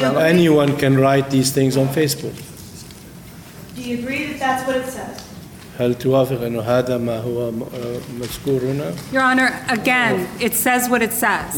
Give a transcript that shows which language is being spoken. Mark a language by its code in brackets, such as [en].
[ar] علاقته؟ [en] Anyone can write these things on Facebook. Do you agree that that's what it says? [ar] هل توافق أنه هذا ما هو مذكور هنا؟ [en] Your Honor, again, it says what it says.